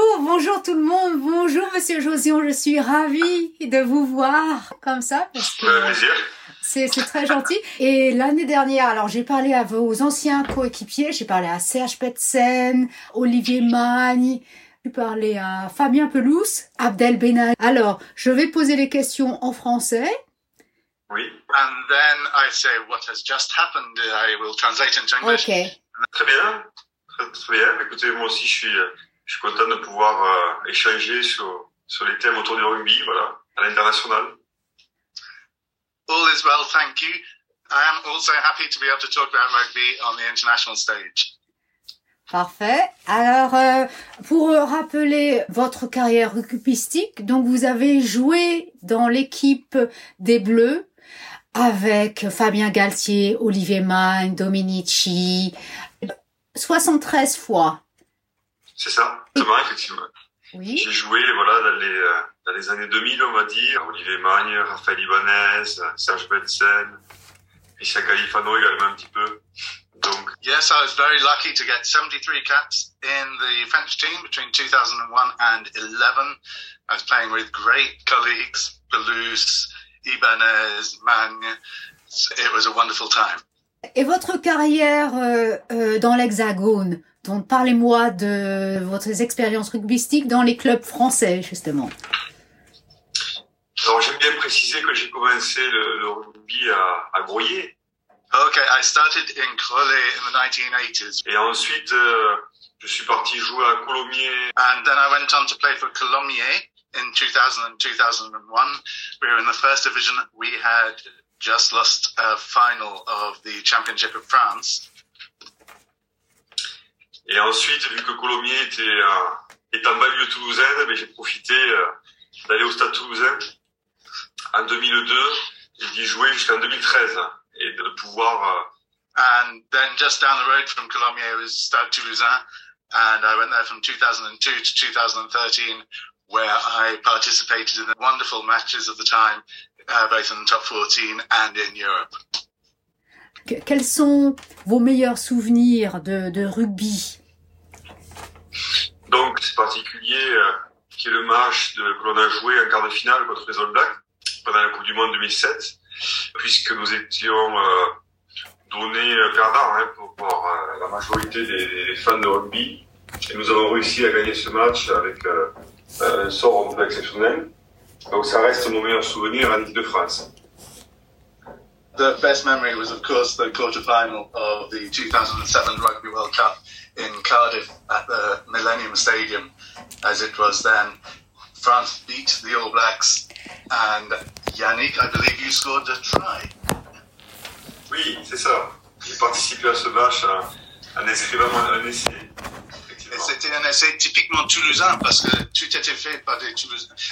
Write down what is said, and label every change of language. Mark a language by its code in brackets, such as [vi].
[fr] Bonjour tout le monde, bonjour Monsieur Josion, je suis ravie de vous voir comme ça, parce que c'est très gentil. Et l'année dernière, alors j'ai parlé à vos anciens coéquipiers, j'ai parlé à Serge Petsen, Olivier Magne, j'ai parlé à Fabien Pelous, Abdel Benal. Alors, je vais poser les questions en français. [en] Oui, and then I say what has just happened, I will translate into English. Ok. [fr] Très bien, écoutez, moi aussi je suis content de pouvoir échanger sur les thèmes autour du rugby, voilà, à l'international. [en] All is well, thank you. I am also happy to be able to talk about rugby on the international stage. [fr] Parfait. Alors, pour rappeler votre carrière rugbyistique, donc vous avez joué dans l'équipe des Bleus avec Fabien Galthié, Olivier Magne, Dominici, 73 fois. C'est ça, exactement, effectivement. Oui. J'ai joué voilà, dans les années 2000, on va dire. Olivier Magne, Raphaël Ibanez, Serge Benson, Christian Califano également un petit peu. Donc. [en] Yes, I was very lucky to get 73 caps in the French team between 2001 and 11. I was playing with great colleagues, Pelous, Ibanez, Magne. It was a wonderful time. [fr] Et votre carrière dans l'Hexagone? Donc, parlez-moi de votre expérience rugbyistique dans les clubs français, justement. Alors, j'aime bien préciser que j'ai commencé le rugby à Groyé. [en] Ok, I started in Crolé in the 1980s. [fr] Et ensuite, je suis parti jouer à Colomiers. [en] And then I went on to play for Colomiers in 2000 and 2001. We were in the first division. We had just lost a final of the Championship of France. [fr] Et ensuite, vu que Colomiers est en banlieue toulousaine, mais j'ai profité d'aller au Stade Toulousain en 2002 et d'y jouer jusqu'en 2013 et de pouvoir. [en] And then just down the road from Colomiers was Stade Toulousain, and I went there from 2002 to 2013, where I participated in the wonderful matches of the time, both in the top 14 and in Europe. [fr] Quels sont vos meilleurs souvenirs de rugby? Donc, c'est particulier qui est le match que l'on a joué en quart de finale contre les All Blacks pendant la Coupe du Monde 2007, puisque nous étions donnés perdants pour la majorité des fans de rugby. Et nous avons réussi à gagner ce match avec un sort un peu exceptionnel. Donc, ça reste mon meilleur souvenir en Ligue de France. [en] the best memory was, of course, the quarterfinal of the 2007 Rugby World Cup in Cardiff at the Millennium Stadium, as it was then. France beat the All Blacks, and Yannick, I believe you scored a try. [fr] Oui, c'est ça. J'ai participé à ce match, un essai, vraiment un essai. Et c'était un essai typiquement toulousain, parce que tout était fait par des Toulousains.